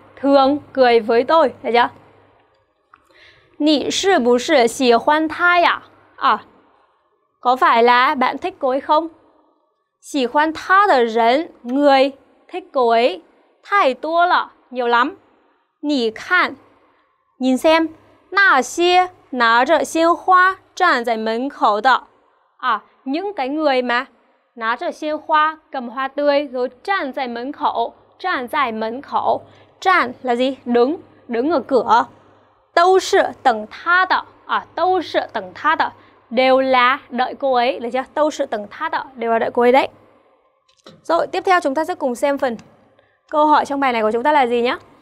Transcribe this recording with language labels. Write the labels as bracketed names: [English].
[Vietnamese] Thường cười với tôi, được chưa? [Chinese] 你是不是喜欢他呀? [Vietnamese] À, có phải là bạn thích cô ấy không? [Chinese] 喜欢他的人, [Vietnamese] người thích cô ấy, [Chinese] 太多了, [Vietnamese] nhiều lắm. [Chinese] 你看, 您先那些拿着鲜花站在门口的啊， [Vietnamese] những cái người mà [Chinese] 拿着鲜花 [Vietnamese] cầm hoa tươi rồi [Chinese] 站在门口，站在门口，站 [Vietnamese] là gì？ Đứng， đứng ở cửa， [Chinese] 都是等他的啊，都是等他的， [Vietnamese] đều là đợi cô ấy， được chưa？ [Chinese] 都是等他的， [Vietnamese] đều là đợi cô ấy đấy。 Rồi tiếp theo chúng ta sẽ cùng xem phần câu hỏi trong bài này của chúng ta là gì nhé？